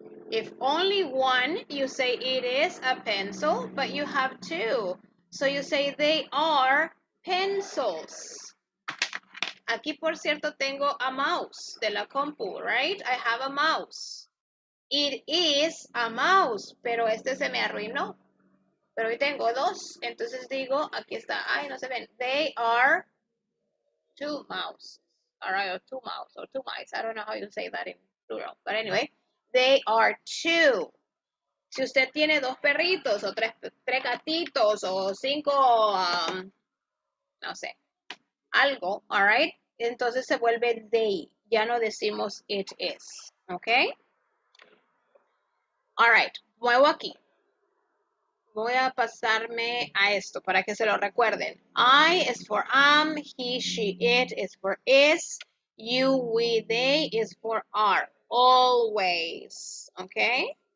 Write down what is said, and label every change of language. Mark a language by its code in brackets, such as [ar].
[en] If only one, you say it is a pencil, but you have two. So you say they are pencils. [es] Aquí, por cierto, tengo a mouse de la compu, right? [en] I have a mouse. It is a mouse, [es] pero este se me arruinó. Pero hoy tengo dos, entonces digo, aquí está. Ay, no se ven. [en] They are two mouse. All right, or two mouse, or two mice. I don't know how you say that in plural. But anyway, they are two. [es] Si usted tiene dos perritos, o tres gatitos, o cinco, no sé. Algo, all right, entonces se vuelve they, ya no decimos [en] it is, [es] okay? All right, muevo aquí. Voy a pasarme a esto para que se lo recuerden. [en] I is for am, he, she, it is for is, you, we, they is for are, always, okay?